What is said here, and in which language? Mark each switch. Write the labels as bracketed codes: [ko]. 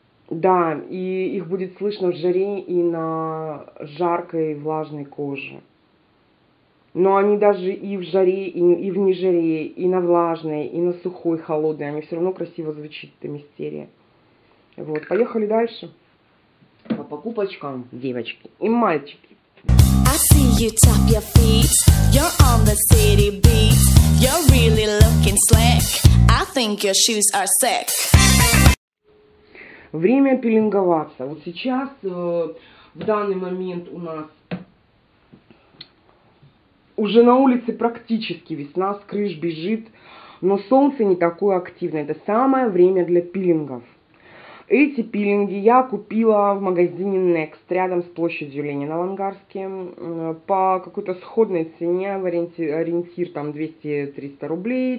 [ru] Да, и их будет слышно в жаре и на жаркой влажной коже. Но они даже и в жаре, и в нежаре, и на влажной, и на сухой, холодной, они все равно красиво звучат, эта мистерия. Вот, поехали дальше. По покупочкам, девочки и мальчики. [en] I see you tap your feet, you're on the city beat. You're really looking slick, I think your shoes are sick. [ru] Время пилинговаться. Вот сейчас, в данный момент у нас уже на улице практически весна, с крыш бежит, но солнце не такое активное. Это самое время для пилингов. Эти пилинги я купила в магазине Next рядом с площадью Ленина в Ангарске по какой-то сходной цене, в ориентир там 200-300 рублей.